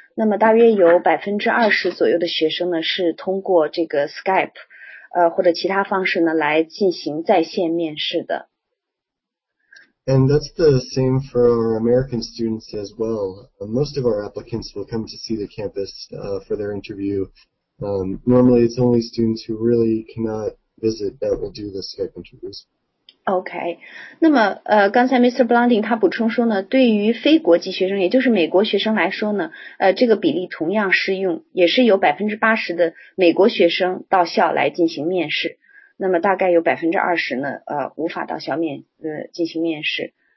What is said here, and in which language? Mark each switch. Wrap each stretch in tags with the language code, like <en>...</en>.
<zh>那么大约有 20% 左右的学生呢是通过这个 Skype 或者其他方式呢来进行在线面试的。</zh> <en>And that's the same for our American students as well. Most of our applicants will come to see the campus for their interview. Normally, it's only students who really cannot visit that will do the Skype interviews.</en> <zh>Okay. 那么刚才 Mr. Blounding 他补充说呢，对于非国际学生，也就是美国学生来说呢，这个比例同样适用，也是有 80% 的美国学生到校来进行面试。那么大概有 20% 呢无法到校面进行面试。</zh>